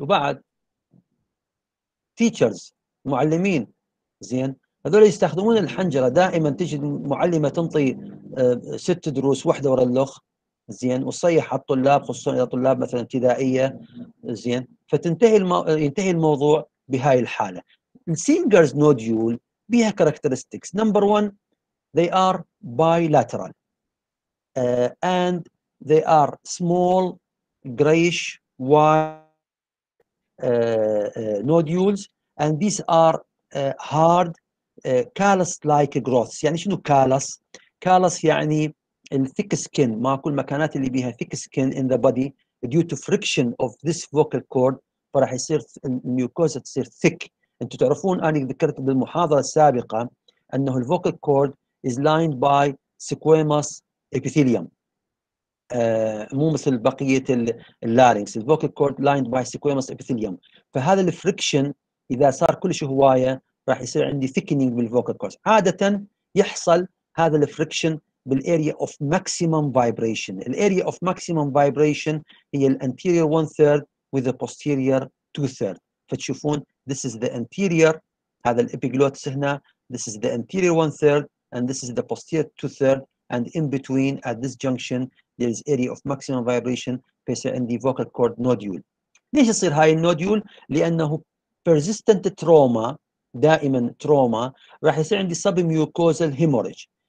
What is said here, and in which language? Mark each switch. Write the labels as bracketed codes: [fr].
[ar] وبعد تيتشرز معلمين، زين هذول يستخدمون الحنجره دائما. تجد معلمه تنطي ست دروس واحده ورا الاخ، زين، وصيح على الطلاب خصوصا اذا طلاب مثلا ابتدائيه، زين، فتنتهي ينتهي الموضوع بهاي الحاله. [en] السينجرز نوديول بها characteristics. Number 1، they are bilateral and they are small grayish white nodules and these are hard callus like growths. [ar] يعني شنو [en] callus؟ callus يعني thick skin، [ar] ما كل المكانات اللي بيها [en] thick skin in the body due to friction of this vocal cord، [ar] فراح يصير الميوكوزا تصير [en] thick. [ar] انتو تعرفون أنا ذكرت بالمحاضرة السابقة أنه [en] the vocal cord is lined by squamous epithelium، [ar] مو مثل بقية اللارينكس. [en] the vocal cord lined by squamous epithelium، [ar] فهذا الفريكشن إذا صار كل شيء هواية راح يصير عندي thickening بالvocal cords. عادة يحصل هذا الفريكشن بال [en] area of maximum vibration. الarea of maximum vibration هي الanterior one third with the posterior two third. فتشوفون this is the anterior، [ar] هذا الepiglottis هنا. [en] this is the anterior one third and this is the posterior two third and in between at this junction there is area of maximum vibration [ar] بيصير عندي [en] vocal cord nodule. [ar] ليش يصير هاي النوديول؟ لأنه [en] persistent trauma، [ar] دائما تروما، راح يصير عندي submucosal hemorrhage.